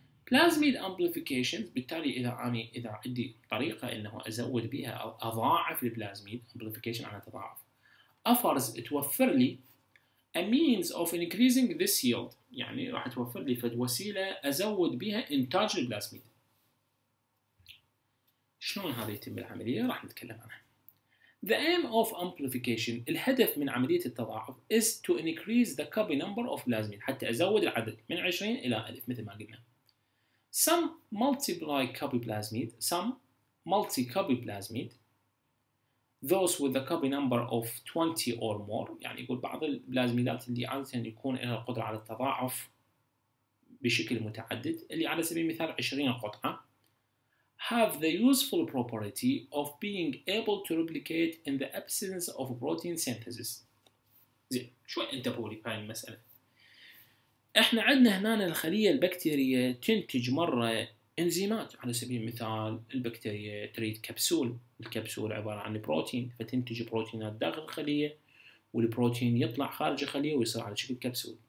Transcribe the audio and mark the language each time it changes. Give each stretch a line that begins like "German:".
English: Plasmid amplification،
Arabic: بالتالي إذا أني إذا عندي طريقة إنه أزود بها أضاعف البلازميد، amplification معناها تضاعف، offers توفر لي
English: a means of increasing this yield،
Arabic: يعني راح توفر لي فد وسيلة أزود بها إنتاج البلازميد. شلون هذا يتم العملية؟ راح نتكلم عنها.
English: The aim of amplification،
Arabic: الهدف من عملية التضاعف،
English: is to increase the copy number of plasmid،
Arabic: حتى أزود العدد من 20 إلى 1000 مثل ما قلنا.
English: Some multiply copy plasmid، some multi copy plasmid، those with the copy number of 20 or more،
Arabic: يعني يقول بعض البلازميدات اللي عادة يكون لها القدرة على التضاعف بشكل متعدد، اللي على سبيل المثال 20 قطعة،
English: have the useful property of being able to replicate in the absence of protein synthesis.
Arabic: زين، شوي انتبهوا لي في هاي المسألة. احنا عندنا هنا الخلية البكتيرية تنتج مرة انزيمات، على سبيل المثال البكتيريا تريد كبسول، الكبسول عبارة عن بروتين، فتنتج بروتينات داخل الخلية والبروتين يطلع خارج الخلية ويصير على شكل كبسول.